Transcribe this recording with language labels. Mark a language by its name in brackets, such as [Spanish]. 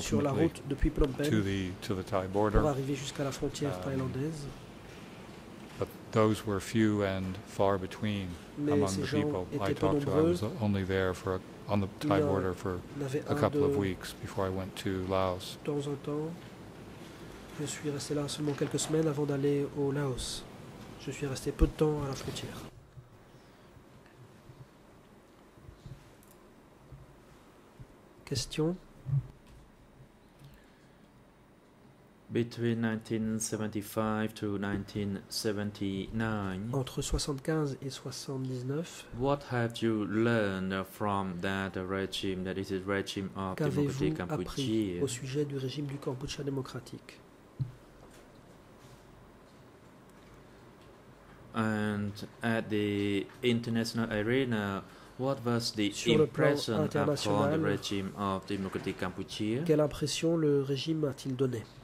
[French] sur la route depuis Phnom Penh [English] to the Thai border. [French] Pour arriver jusqu'à la frontière thaïlandaise. [English] But those were few and far between [French] Mais [English] among the people I talked to. I was only there on the Thai border for a couple of weeks before I went to Laos. [French] Dans un temps, je suis resté là seulement quelques semaines avant d'aller au Laos. Je suis resté peu de temps à la frontière. Question. [English] Between 1975 to 1979. [French] Entre 75 et 79. [English] What have you learned from that regime? That is the regime of Cambodia. [French] Qu'avez-vous appris au sujet du régime du Cambodge démocratique? [English] And at the international arena, what was the impression upon the regime of Democratic Cambodia? [French] Quelle impression le régime a-t-il donné?